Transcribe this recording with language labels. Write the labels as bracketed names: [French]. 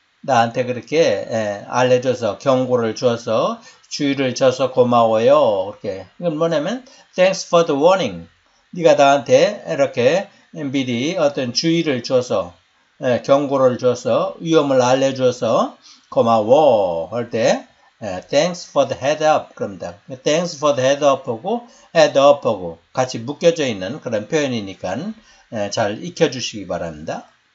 [Korean] 나한테 그렇게 알려줘서 경고를 줘서 주의를 줘서 고마워요. 이렇게 이건 뭐냐면 [English] Thanks for the warning. [Korean] 네가 나한테 이렇게 미리 어떤 주의를 줘서 경고를 줘서 위험을 알려줘서 고마워 할때 [English] Thanks for the head up [Korean] 그럽니다. [English] Thanks for the head up [Korean] 하고 같이 묶여져 있는 그런 표현이니까 잘 익혀주시기 바랍니다.